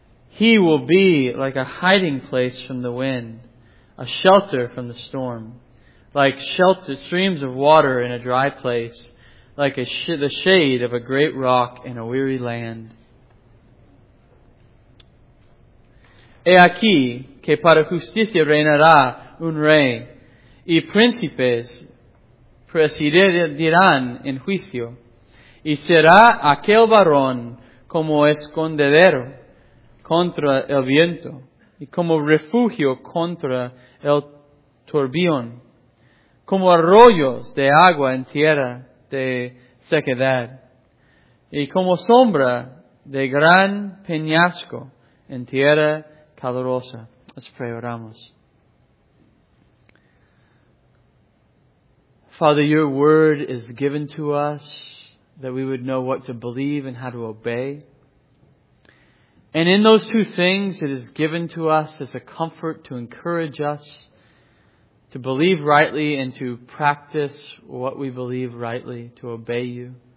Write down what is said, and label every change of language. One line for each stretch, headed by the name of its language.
English: He will be like a hiding place from the wind, a shelter from the storm, like shelter streams of water in a dry place, like the shade of a great rock in a weary land.
Spanish: He aquí que para justicia reinará un rey, y príncipes presidirán en juicio, y será aquel varón como escondedero contra el viento, y como refugio contra el turbión, como arroyos de agua en tierra de sequedad, y como sombra de gran peñasco en tierra calurosa. Les preguntamos.
English: Father, your word is given to us that we would know what to believe and how to obey. And in those two things, it is given to us as a comfort to encourage us to believe rightly and to practice what we believe rightly, to obey you.